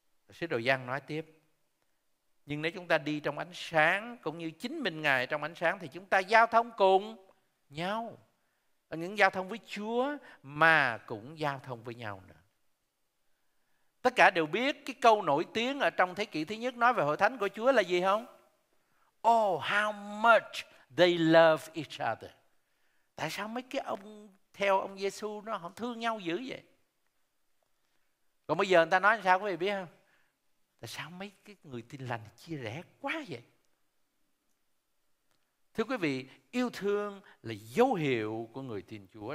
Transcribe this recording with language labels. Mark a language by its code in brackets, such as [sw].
[vi] Sứ đồ Giăng nói tiếp: nhưng nếu chúng ta đi trong ánh sáng cũng như chính mình Ngài trong ánh sáng thì chúng ta giao thông cùng nhau. Những giao thông với Chúa mà cũng giao thông với nhau nữa. Tất cả đều biết cái câu nổi tiếng ở trong thế kỷ thứ nhất nói về hội thánh của Chúa là gì không? [en] Oh, how much they love each other. [vi] Tại sao mấy cái ông theo ông Giê-xu nó không thương nhau dữ vậy? Còn bây giờ người ta nói sao quý vị biết không? Tại sao mấy cái người tin lành chia rẽ quá vậy? Thưa quý vị, yêu thương là dấu hiệu của người tin Chúa.